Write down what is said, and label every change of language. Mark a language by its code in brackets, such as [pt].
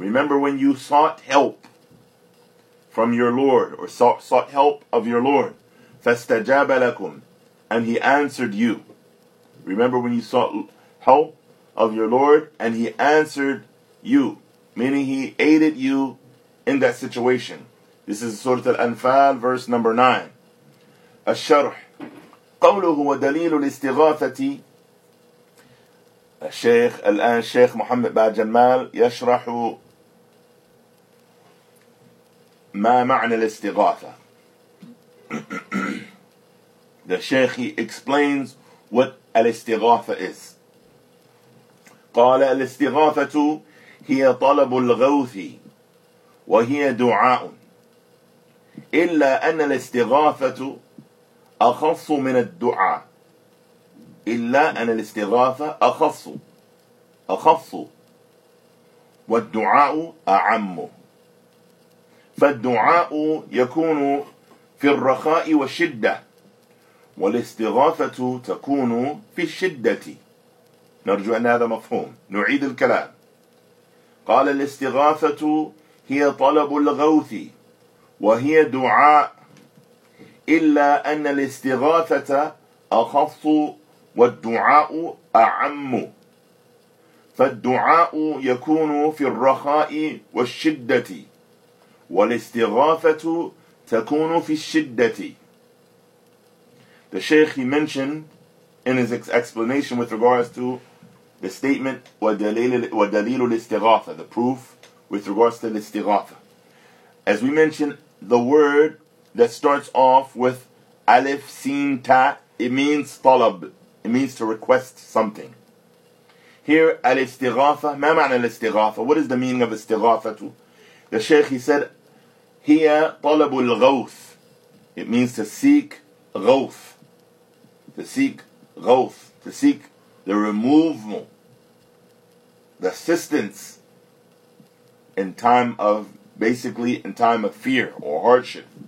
[en] Remember when you sought help from your Lord, or sought help of your Lord. [ar] فَاسْتَجَابَ لَكُمْ. [en] And He answered you. Remember when you sought help of your Lord, and He answered you. Meaning He aided you in that situation. This is Surah Al-Anfal, verse number 9. [ar] الشرح قوله ودليل الاستغاثة. الشيخ الآن الشيخ محمد با جمال يشرح ما معنى الاستغاثة. The Sheikh explains what الاستغاثة is. قال الاستغاثة هي طلب الغوث وهي دعاء. إلا أن الاستغاثة أخص من الدعاء. إلا أن الاستغاثة أخص والدعاء أعم. فالدعاء يكون في الرخاء والشدة، والاستغاثة تكون في الشدة. نرجو أن هذا مفهوم. نعيد الكلام. قال الاستغاثة هي طلب الغوث وهي دعاء. إلا أن الاستغاثة أخص والدعاء أعم. فالدعاء يكون في الرخاء والشدة، والاستغاثة تكون في الشدة. [en] The Sheikh, he mentioned in his explanation with regards to the statement [ar] ودليل الاستغاثة, [en] the proof with regards to الاستغاثة. As we mentioned, the word that starts off with alif, seen, ta, it means طلب. It means to request something. Here, [ar] الاستغاثة, ما معنى الاستغاثة? [en] What is the meaning of استغاثة? The Sheikh, he said, [ar] هي طلب الغوث. [en] It means to seek غوث. To seek غوث. To seek the removal, the assistance in time of, basically in time of fear or hardship.